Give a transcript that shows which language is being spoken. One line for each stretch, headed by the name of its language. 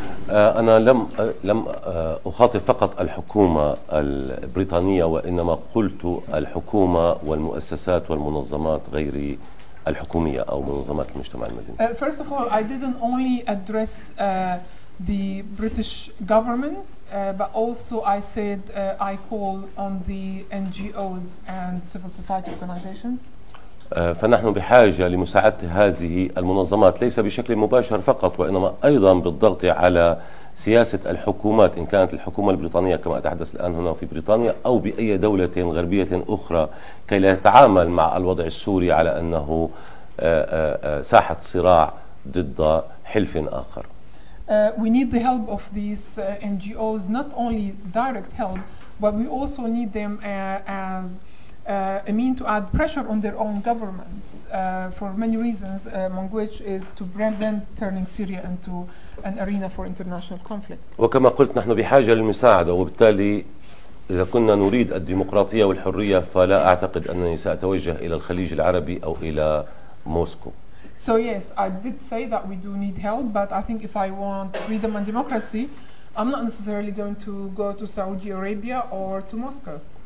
Arabic: أنا لم أخاطب فقط الحكومة البريطانية، وإنما قلت الحكومة والمؤسسات والمنظمات غير الحكومية أو منظمات المجتمع المدني.
English: First of all, I didn't only address the British government, but also I said I call on the NGOs and civil society organizations.
Arabic: فنحن بحاجة لمساعدة هذه المنظمات ليس بشكل مباشر فقط، وإنما أيضا بالضغط على سياسة الحكومات، إن كانت الحكومة البريطانية كما أتحدث الآن هنا في بريطانيا أو بأي دولة غربية أخرى، كي لا يتعامل مع الوضع السوري على أنه ساحة صراع ضد حلف آخر.
English: We need the help of these NGOs, not only direct help, but we also need them as a mean to add pressure on their own governments for many reasons, among which is to prevent turning Syria into an arena for international conflict.
Arabic: وكما قلت نحن بحاجة للمساعدة، وبالتالي إذا كنا نريد الديمقراطية والحرية فلا أعتقد أنني سأتوجه إلى الخليج العربي أو إلى موسكو.
English: So yes, I did say that we do need help, but I think if I want freedom and democracy, I'm not necessarily going to go to Saudi Arabia or to Moscow.